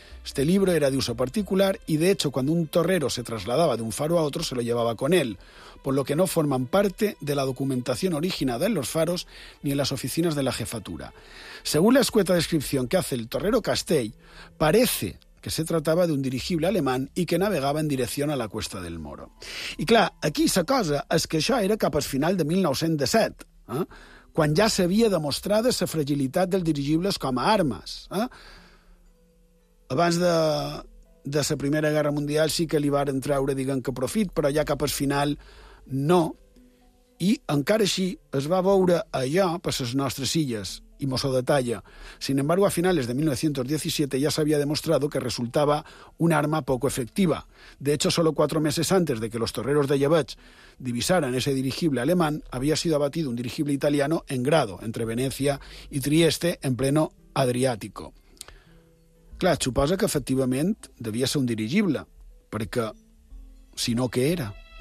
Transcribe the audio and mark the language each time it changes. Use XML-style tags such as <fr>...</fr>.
<es>Este libro era de uso particular y, de hecho, cuando un torrero se trasladaba de un faro a otro, se lo llevaba con él, por lo que no forman parte de la documentación originada en los faros ni en las oficinas de la jefatura. Según la escueta descripción que hace el torrero Castell, parece que se trataba de un dirigible alemán y que navegaba en dirección a la Cuesta del Moro. Y, claro, aquí la cosa es que</es> <ca>això era cap al final de 1907, quan ja s'havia demostrat la fragilitat dels dirigibles com a armes. Abans de la Primera Guerra Mundial sí que li varen treure, diguem que profit, però ja cap al final no. I encara així es va veure allò per les nostres illes, i mos ho detalla.</ca> <es>Sin embargo, a finales de 1917</es> <ca>ja s'havia demostrat que resultava</ca> <es>una arma poco efectiva. De hecho, solo 4 meses antes de que los torreros de Llebeig divisaran ese dirigible alemán, había sido abatido un dirigible italiano en Grado, entre Venecia y Trieste, en pleno Adriático.</es> <ca>Clar, suposa que efectivament devia ser un dirigible, perquè, si no, què era?</ca>